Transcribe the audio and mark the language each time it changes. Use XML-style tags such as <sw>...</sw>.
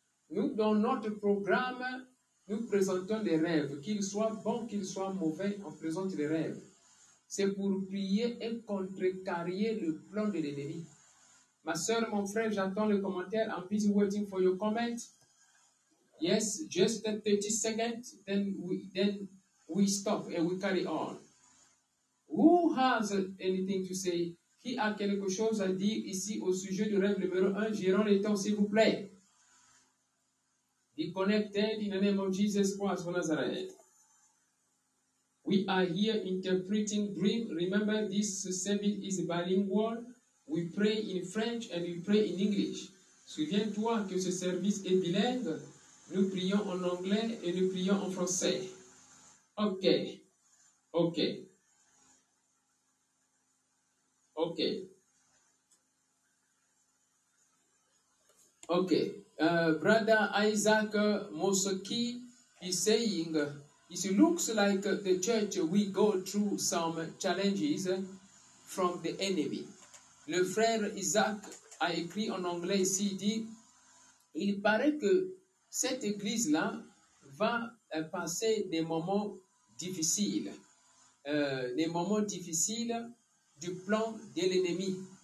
<fr>Nous, dans notre programme, nous présentons des rêves. Qu'ils soient bons, qu'ils soient mauvais, on présente des rêves. C'est pour prier et contrecarrier le plan de l'ennemi. Ma soeur, mon frère, j'attends le commentaire.</fr> <en>I'm busy waiting for your comment. Yes, just 30 seconds, then we stop and we carry on. Who has anything to say?</en> <fr>Qui a quelque chose à dire ici au sujet du rêve numéro 1? Gérons le temps, s'il vous plaît.</fr> <en>Be connected in the name of Jesus Christ of Nazareth. We are here interpreting dream. Remember, this service is bilingual. We pray in French and we pray in English.</en> <fr>Souviens-toi que ce service est bilingue. Nous prions en anglais et nous prions en français. Ok. Ok. Ok. Ok.</fr> <en>Brother Isaac Mosoki is saying, it looks like the church, we go through some challenges from the enemy.</en> <fr>Le frère Isaac a écrit en anglais ici, il dit, il paraît que cette église-là va passer des moments difficiles. Des moments difficiles du plan de l'ennemi.</fr>